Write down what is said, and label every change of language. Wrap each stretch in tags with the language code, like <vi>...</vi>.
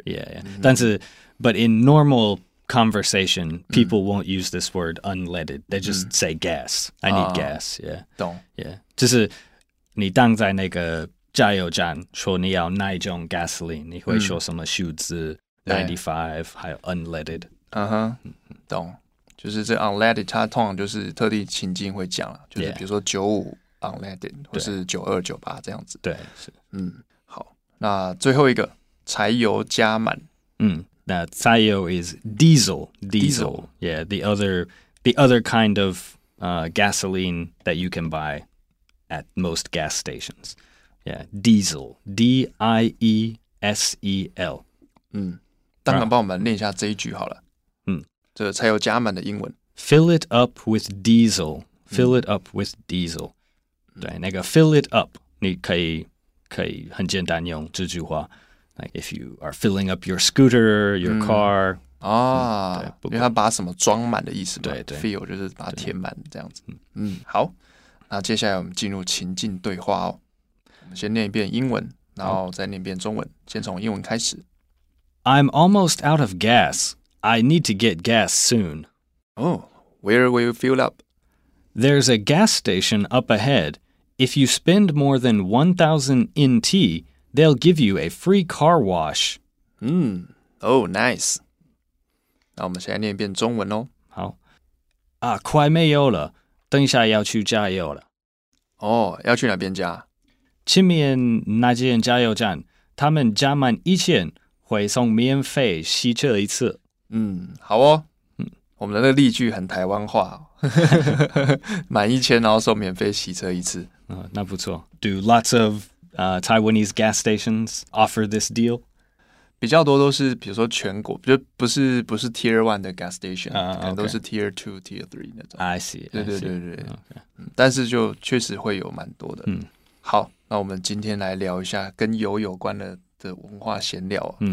<en>yeah, yeah.、但是 but in normal conversation people won't use this word unleaded they just say gas, I need gas, yeah</en> <zh>懂 yeah, 就是你当在那个加油站说你要哪一种 gasoline 你会说什么数字 95 还有 unleaded 懂就是这 unleaded 它通常就是特定情境会讲就是比如说95 unleaded 或是92 98这样子对是好那最后一个柴油加满那柴油</zh> <en>is diesel yeah the other kind of gasoline that you can buyAt most gas stations. Yeah, diesel. D-I-E-S-E-L.</en> <zh>丹肯帮我们念一下这一句好了。这柴油加满的英文。</zh> <en>Fill it up with diesel. Fill it up with diesel.</en> <zh>对，那个 fill it up, 你可以很简单用这句话。</zh> <en>Like if you are filling up your scooter, your car.</en> <zh>因为它把什么装满的意思嘛。对对。 Fill 就是把它填满这样子。好。那接下来我们进入情境对话哦。我们先念一遍英文，然后再念一遍中文。先从英文开始。</zh> <en>I'm almost out of gas. I need to get gas soon. Oh, where will you fill up? There's a gas station up ahead. If you spend more than 1,000 NT, they'll give you a free car wash. Oh, nice.</en> <zh>那我们先念一遍中文哦。好。啊，快没有了。等一下要去加油了。要去哪边加？前面那间加油站，他们加满1000会送免费洗车一次。好哦。我们的那个例句很台湾话、满1000然后送免费洗车一次。那不错。</zh> <en>Do lots of Taiwanese gas stations offer this deal?</en> <zh>比较多都是比如说全国就不是 tier 1的 gas station、</zh> <en>okay.</en> <zh>都是 tier 2 tier 3那种</zh> <en>I see</en> <zh>对对对对、</zh> <en>okay.</en> <zh>但是就确实会有蛮多的好那我们今天来聊一下跟油有关 的文化闲聊</zh>